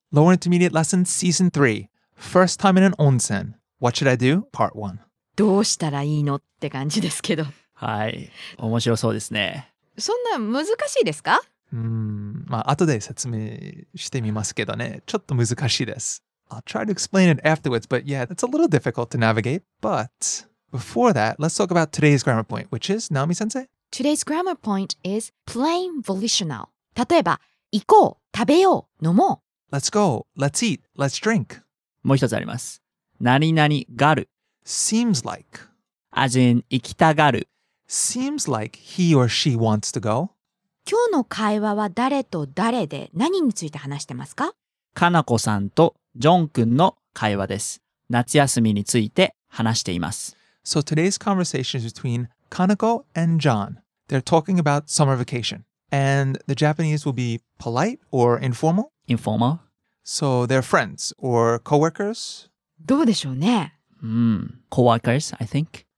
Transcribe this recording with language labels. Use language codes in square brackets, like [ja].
[en] Low Intermediate Lesson Season 3 First Time in an Onsen What Should I Do? Part 1。 [ja] どうしたらいいのって感じですけど、はい、面白そうですね。そんな難しいですか？まあ後で説明してみますけどね、ちょっと難しいです。 [en] I'll try to explain it afterwards, but yeah, it's a little difficult to navigate. But before that, let's talk about today's grammar point, which is, Naomi-sensei? Today's grammar point is plain volitional. [ja] 例えば、行こう、食べよう、飲もう。 [en] Let's go, let's eat, let's drink. [ja] もう一つあります。何々がる。 [en] Seems like. As in, [ja] 行きたがる。 [en] Seems like he or she wants to go. [ja] 今日の会話は誰と誰で何について話してますか？かなこさんとジョン君の会話です。夏休みについて話しています。 [en] So today's conversation is between Kanako and John. They're talking about summer vacation. And the Japanese will be polite or informal? Informal. So they're friends or co-workers? [ja] どうでしょうね? [en] Co-workers, I think.